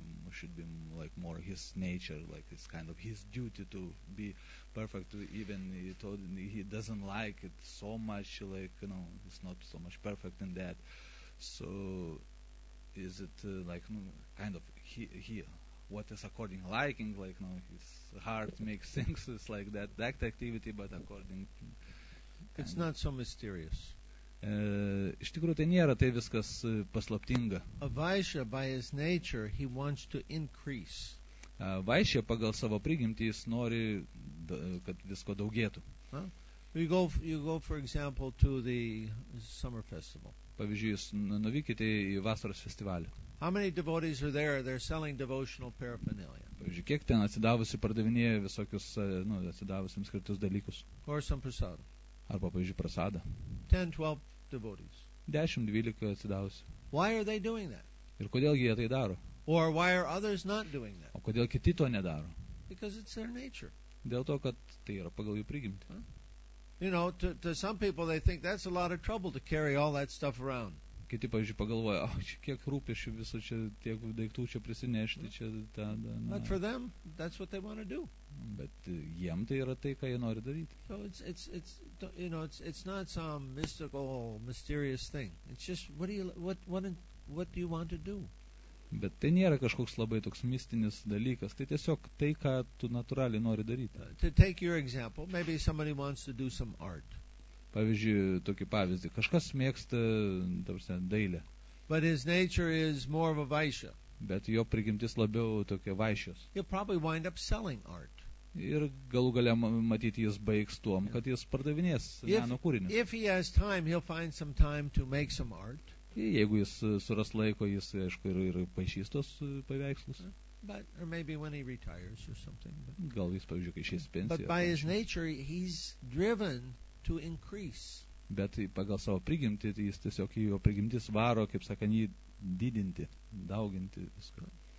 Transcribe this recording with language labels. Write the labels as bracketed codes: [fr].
[en] should be like more his nature, like it's kind of his duty to be perfect, even he doesn't like it so much, like, you know, it's not so much perfect in that. So is it like kind of he what is according liking, like, no, his heart makes things, it's like that activity, but according... It's not so mysterious. [lt] Iš tikrųjų, tai nėra tai viskas paslaptinga. [en] A Vaishya, by his nature, he wants to increase. [lt] Vaishya, pagal savo prigimtį, jis nori, kad visko daugėtų. [en] Huh? You go, for example, to the summer festival. [lt] Pavyzdžiui, jūs nuvykite į vasaros festivalį. [en] How many devotees are there? They're selling devotional paraphernalia. [lt] Pavyzdžiui, kiek ten atsidavusi pardavinėja visokius, nu, atsidavusiems skirtus dalykus. [en] Or some prasada. [lt] Arba, pavyzdžiui, prasada. [en] 10-12 devotees. [lt] 10-12 atsidavusi. [en] Why are they doing that? [lt] Ir kodėl jie tai daro? [en] Or why are others not doing that? [lt] O kodėl kiti to nedaro? [en] Because it's their nature. [lt] Dėl to, kad tai yra pagal jų prigimtį. [en] You know, to some people they think that's a lot of trouble to carry all that stuff around. [lt] Kiti, pavyzdžiui, pagalvoja, kiek rūpėšių visų čia, tiek daiktų čia prisinešti, čia ta, da, na. [en] But for them, that's what they want to do. [lt] Bet jiem tai yra tai, ką jie nori daryti. [en] So it's you know, it's not some mystical, mysterious thing. It's just what do you want to do? [lt] Bet tai nėra kažkoks labai toks mistinis dalykas. Tai tiesiog tai, ką tu natūraliai nori daryti. [en] To take your example, maybe somebody wants to do some art. [lt] Pavyzdžiui, tokį pavyzdį. Kažkas mėgsta, tarsi, dailę. [en] But his nature is more of a vaishya. [lt] Bet jo prigimtis labiau tokia vaishyos. [en] He'll probably wind up selling art. [lt] Ir galų galę matyti, jis baigs tuom, kad jis pardavinės meno kūrinius. [en] If he has time, he'll find some time to make some art. [lt] Jeigu jis suras laiko, jis, aišku, ir paišys tos paveikslus. [en] But, or maybe when he retires or something. But, [lt] gal jis, pavyzdžiui, kai išės pensiją. [en] But by his nature, he's driven to increase. [lt] Bet pagal savo prigimtį, jis tiesiog jo prigimtis varo, kaip sakant, jį didinti, dauginti viską.